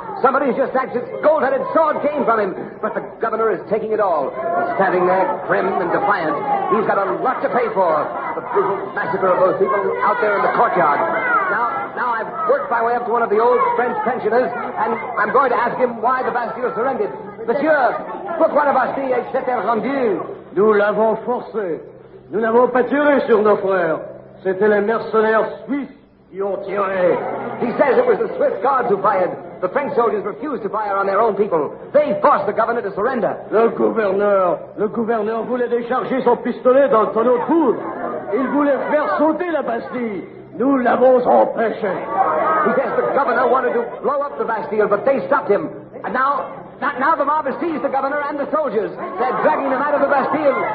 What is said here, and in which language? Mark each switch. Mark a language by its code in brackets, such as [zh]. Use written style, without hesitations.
[en] Somebody's just snatched his gold-headed sword cane from him. But the governor is taking it all. Standing there, grim and defiant, he's got a lot to pay for. The brutal massacre of those people out there in the courtyard. Now I've worked my way up to one of the old French pensioners, and I'm going to ask him why the Bastille surrendered. [fr] Monsieur, pourquoi la Bastille s'est-elle rendue? Nous l'avons forcée. Nous n'avons pas tiré sur nos frères. C'était les mercenaires suisses. [en] He says it was the Swiss guards who fired. The French soldiers refused to fire on their own people. They forced the governor to surrender. [fr] Le gouverneur voulait décharger son pistolet dans le tonneau de poudre. Il voulait faire sauter la Bastille. Nous l'avons empêché. [en] He says the governor wanted to blow up the Bastille, but they stopped him. And now the mob has seized the governor and the soldiers. They're dragging them out of the Bastille.